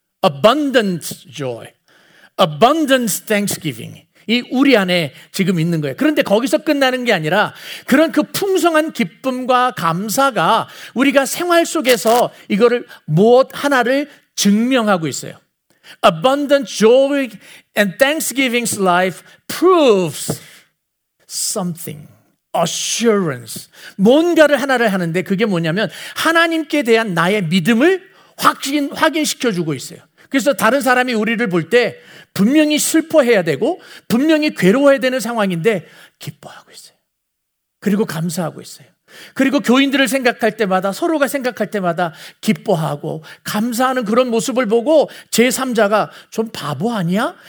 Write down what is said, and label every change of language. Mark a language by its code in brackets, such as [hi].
[en] Abundant joy, abundance thanksgiving. [ko] 이 우리 안에 지금 있는 거예요. 그런데 거기서 끝나는 게 아니라 그런 그 풍성한 기쁨과 감사가 우리가 생활 속에서 이거를 무엇 하나를 증명하고 있어요. [en] Abundant joy and thanksgiving's life proves something. Assurance. [ko] 뭔가를 하나를 하는데 그게 뭐냐면 하나님께 대한 나의 믿음을 확인시켜주고 있어요. 그래서 다른 사람이 우리를 볼 때 분명히 슬퍼해야 되고 분명히 괴로워해야 되는 상황인데 기뻐하고 있어요. 그리고 감사하고 있어요. 그리고 교인들을 생각할 때마다 서로가 생각할 때마다 기뻐하고 감사하는 그런 모습을 보고 제3자가 좀 바보 아니야?